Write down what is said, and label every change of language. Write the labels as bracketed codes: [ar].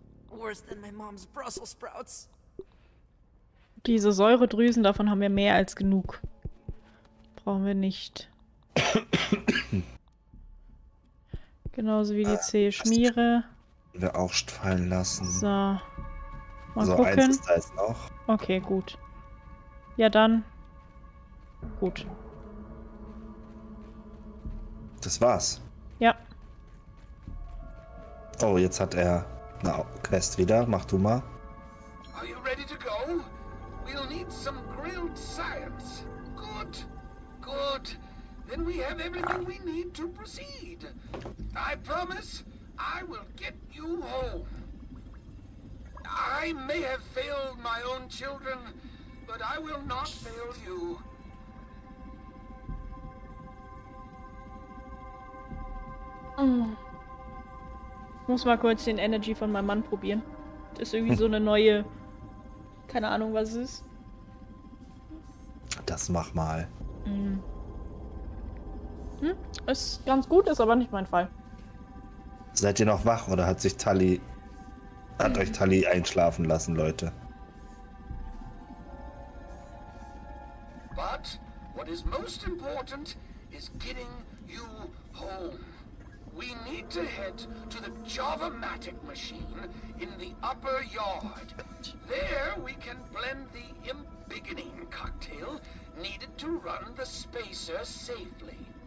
[en] Worse than my mom's Brussels sprouts. [de] Diese Säuredrüsen, davon haben wir mehr als genug. Brauchen wir nicht. Genauso wie die zähe Schmiere. Wir auch fallen lassen. So. Mal so, gucken. Eins ist da jetzt noch. Okay, gut. Ja, dann. Gut. Das war's. Ja. Oh, jetzt hat er eine Quest wieder. Mach du mal. [en] Are you ready to go? We'll need some grilled science. Good, good. Then we have everything we need to proceed. I promise, I will get you home. I may have failed my own children, but I will not fail you. [de] Muss mal kurz den Energy von meinem Mann probieren. Das ist irgendwie so eine neue. Keine Ahnung, was es ist. Das mach mal. Ist ganz gut, ist aber nicht mein Fall. Seid ihr noch wach oder hat sich Tali. Hat euch Tali einschlafen lassen, Leute? [en] But what is most important is getting you home. We need to head to the Java-matic machine in the upper yard. There we can blend the imbiganine cocktail needed to run the spacer safely.